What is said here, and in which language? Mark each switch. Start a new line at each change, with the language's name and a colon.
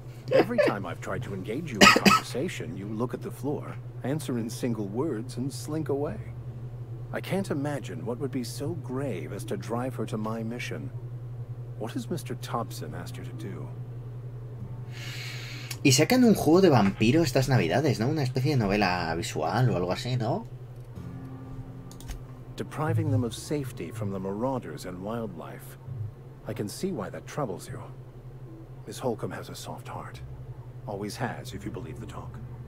English: Every time I've tried to engage you in conversation, you look at the floor, answer in single words, and slink away. I can't imagine what would be so grave as to drive her to my mission. What has Mr. Thompson asked you to do?
Spanish: Y sacan un juego de vampiro estas navidades, ¿no? Una especie de novela visual o algo así, ¿no?
English: Depriving them of safety from the marauders and wildlife. I can see why that troubles you. Miss Holcomb has a soft heart. Always has, if you believe the talk.